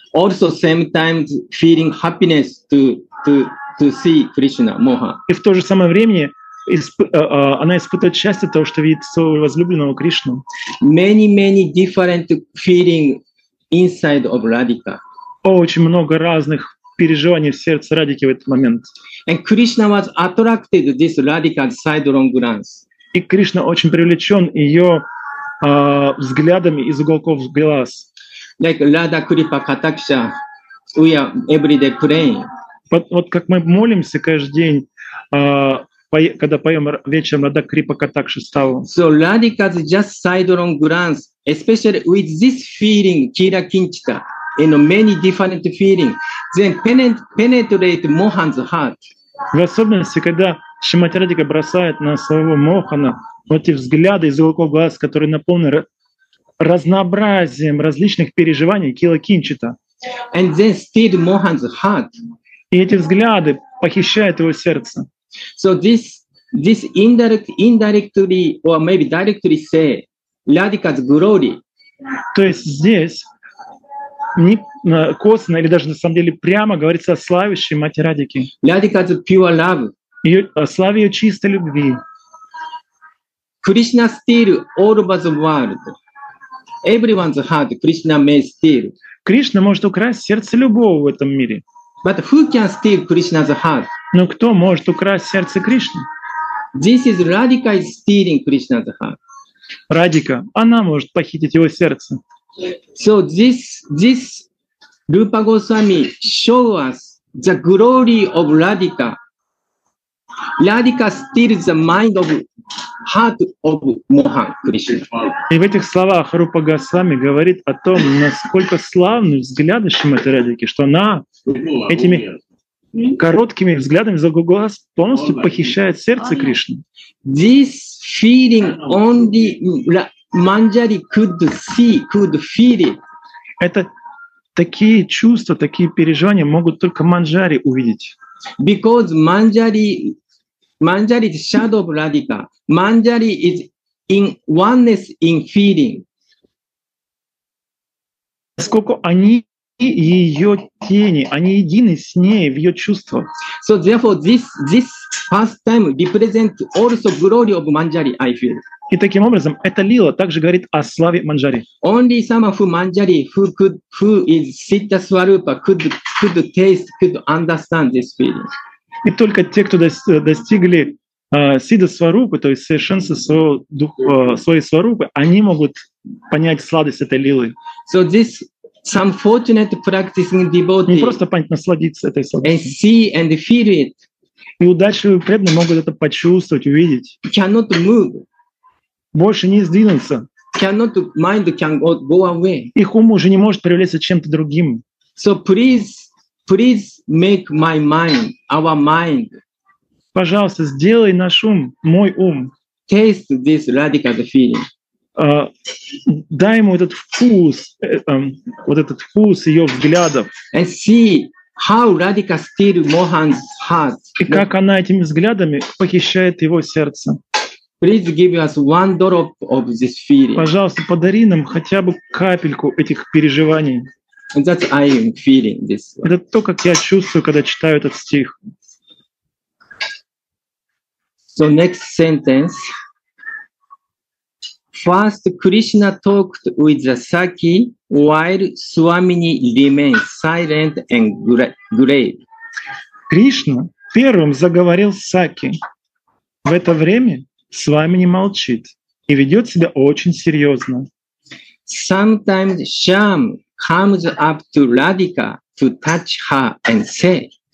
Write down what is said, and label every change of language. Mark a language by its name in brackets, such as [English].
[English] Also same time feeling happiness to see Krishna, Moha. [Russian] И в то же самое время она испытывает счастье того, что видит своего возлюбленного Кришну. [English] Many different feeling inside of Radhika. [Russian] Очень много разных переживаний в сердце Радхики в этот момент. [English] And Krishna was attracted to this Radhika's sidelong glance. [Russian] И Кришна очень привлечен ее взглядами из уголков глаз. [English] Like Radha Kripa Kataksha, we are every day praying. [Russian] Вот как мы молимся каждый день. Когда поем вечером Радха Крипа Катакша Ставу. [English] So Radhika's just sidelong glance, especially with this feeling, Kira Kinchita, and many different feeling, then penetrate Mohan's heart. [Russian] В особенности, когда Шримати Радхика бросает на своего Мохана вот эти взгляды из уголков глаз, которые наполнены разнообразием различных переживаний Kira Kinchita. [English] And then steal Mohan's heart. [Russian] И эти взгляды похищают его сердце. [English] So this indirectly or maybe directly say Radhika's glory. [Russian] То есть здесь не косвенно или даже на самом деле прямо говорится о славящей мать Радхики. [English] Radhika's pure love. [Russian] О славе ее чистой любви. [English] Krishna steal all over the world. Everyone's heart Krishna may steal. [Russian] Кришна может украсть сердце любого в этом мире. [English] But who can steal Krishna's heart? [Russian] Но кто может украсть сердце Кришны? [English] This is Radhika is stealing Krishna's heart. [Russian] Радхика, она может похитить его сердце. [English] So this Rupa Goswami show us the glory of Radhika. Radhika steals the mind of heart of Mohan Krishna. [Russian] И в этих словах Рупа Госвами говорит о том, насколько славны взгляды Шримати Радхики, что она этими короткими взглядами за глаз полностью похищает сердце Кришны. [English] This feeling only Manjari could see, could feel it. [Russian] Это такие чувства, такие переживания могут только Манджари увидеть. [English] Because Manjari is shadow of Radhika. Manjari is in oneness in feeling. [Russian] Сколько они и ее тени, они едины с ней в ее чувствах. [English] So therefore this past time represent also glory of Manjari, I feel. [Russian] И таким образом эта лила также говорит о славе Манджари. [English] Only someone who Manjari who is Siddha Swarupa could taste, could understand this feeling. [Russian] И только те, кто достигли Сидда Сварупы, то есть совершенство своей Сварупы, они могут понять сладость этой лилы. [English] So this some fortunate practicing devotee. [Russian] Не просто понять, насладиться этой сладостью. [English] And see and feel it. [Russian] И удачливые преданные могут это почувствовать, увидеть. [English] Cannot move. [Russian] Больше не сдвинуться. [English] cannot mind can go away. [Russian] Их ум уже не может привлечься чем-то другим. [English] So please, please make my mind, our mind. [Russian] Пожалуйста, сделай наш ум, мой ум. [English] Taste this radical feeling. [Russian] Дай ему этот вкус, вот этот вкус ее взглядов. [English] And see how radical steal Mohan's heart. [Russian] И как она этими взглядами похищает его сердце. [English] Please give us one drop of this feeling. [Russian] Пожалуйста, подари нам хотя бы капельку этих переживаний. [English] And that's I am feeling this one. [Russian] Это то, как я чувствую, когда читаю этот стих. [English] So next sentence. First, Krishna talked with the Sakhi while Swamini remained silent and grave. [Russian] Кришна первым заговорил с Сакхи. В это время Свамини молчит и ведет себя очень серьезно. [English] Sometimes Shyam comes up to Radhika to touch her and say.